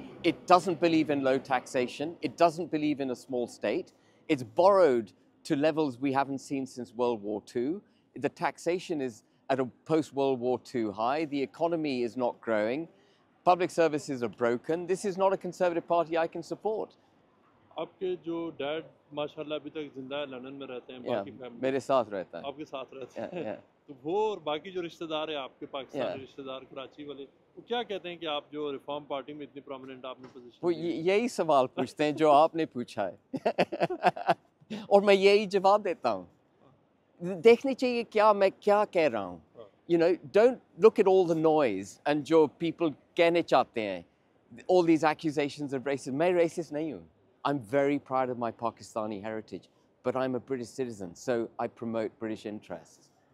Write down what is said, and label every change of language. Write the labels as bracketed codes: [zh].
[en] It doesn't believe in low taxation. It doesn't believe in a small state. It's borrowed to levels we haven't seen since World War II. The taxation is at a post-World War II high. The economy is not growing. Public services are broken. This is not a Conservative Party I can support. [hi] आपके जो dad माशाल्लाह अभी तक जिंदा है, London में रहते हैं, बाकी फैमिली मेरे साथ रहता है, आपके साथ रहते हैं, तो वो और बाकी जो रिश्तेदार है आपके पाकिस्तानी रिश्तेदार कराची वाले, वो क्या कहते हैं कि आप जो रिफॉर्म पार्टी में इतनी प्रोमिनेंट आपने पोजीशन, वो यही सवाल पूछते हैं जो आपने पूछा है। और मैं यही जवाब देता हूँ। देखनी चाहिए क्या मैं क्या कह रहा हूँ। [en] you know, don't look at all the noise and [hi] जो पीपल कहने चाहते हैं, [en] all these accusations of racism. [hi] Main racist, nahi. [en] I'm very proud of my Pakistani heritage, but I'm a British citizen, so I promote British interests.